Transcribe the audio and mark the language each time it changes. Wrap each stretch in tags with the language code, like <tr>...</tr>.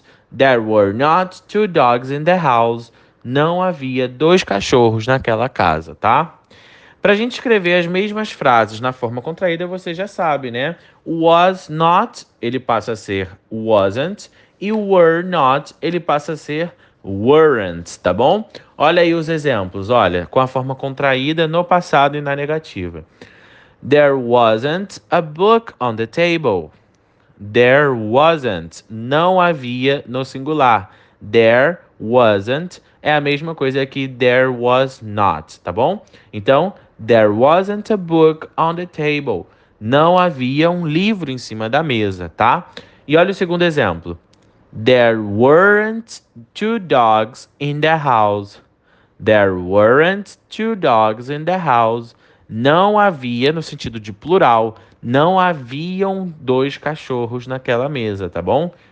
<en>There were not two dogs in the house.</en> <pt>Não havia dois cachorros naquela casa, tá? Para a gente escrever as mesmas frases na forma contraída, você já sabe, né? Was not, ele passa a ser wasn't. E were not, ele passa a ser weren't, tá bom? Olha aí os exemplos, olha, com a forma contraída no passado e na negativa.</pt> <en>There wasn't a book on the table. There wasn't,</en> <pt>não havia no singular.</pt> <en>There wasn't.</en> <pt>É a mesma coisa que</pt> <en>there was not,</en> <pt>tá bom? Então,</pt> <en>there wasn't a book on the table.</en> <pt>Não havia um livro em cima da mesa, tá? E olha o segundo exemplo.</pt> <en>There weren't two dogs in the house. There weren't two dogs in the house.</en> <pt>Não havia, no sentido de plural, não haviam dois cachorros naquela mesa, tá bom?</pt>